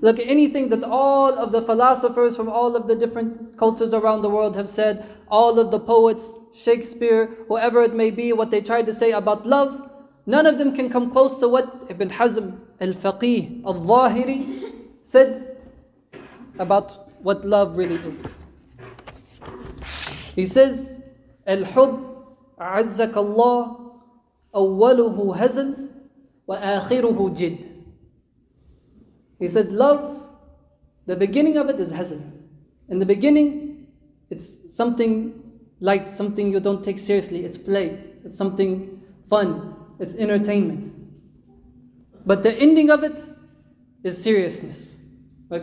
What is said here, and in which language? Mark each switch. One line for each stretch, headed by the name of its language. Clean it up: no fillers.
English: Look, anything that all of the philosophers from all of the different cultures around the world have said, all of the poets, Shakespeare, whoever it may be, what they tried to say about love, none of them can come close to what Ibn Hazm al-Faqih al-Zahiri said about what love really is. He says,
Arabic: الحب عزك الله أوله هزل وآخره جد.
English: He said, love, the beginning of it is hazl. In the beginning, it's something light, something you don't take seriously. It's play. It's something fun. It's entertainment. But the ending of it is seriousness. Right?